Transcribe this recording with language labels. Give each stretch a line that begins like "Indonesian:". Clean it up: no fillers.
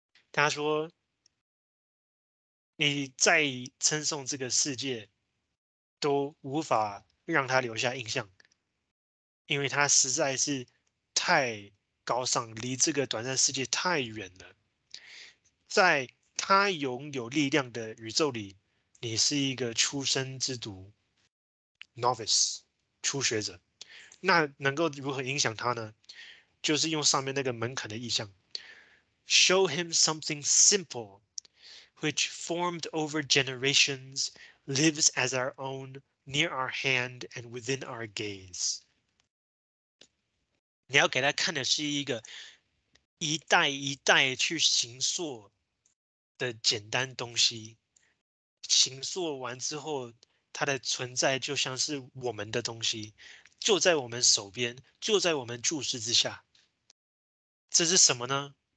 Chinese: 他说你再称颂这个世界都无法让他留下印象，因为他实在是太高尚，离这个短暂世界太远了。在他拥有力量的宇宙里，你是一个出生之犊 novice 初学者。那能够如何影响他呢？就是用上面那个门槛的意象。
English: Show him something simple, which formed over generations, lives as our own, near our hand and within our gaze.
Chinese: 你要给他看的是一个一代一代去形塑的简单东西，形塑完之后，它的存在就像是我们的东西，就在我们手边，就在我们注视之下。这是什么呢？